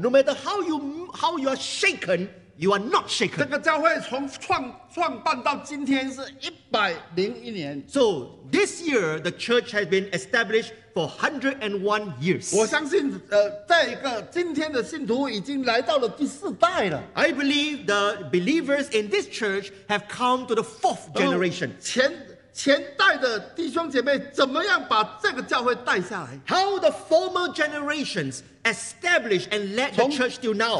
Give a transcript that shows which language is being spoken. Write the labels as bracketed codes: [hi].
[en] No matter how you are shaken, you are not shaken. [zh] 这个教会从创办到今天是101年。 [en] So this year the church has been established for 101 years. [zh] 我相信今天的信徒已经来到了第四代了。 [en] I believe the believers in this church have come to the fourth generation. [zh] 前代的弟兄姐妹怎么样把这个教会带下来 [en] ？How the former generations established and led the church till now？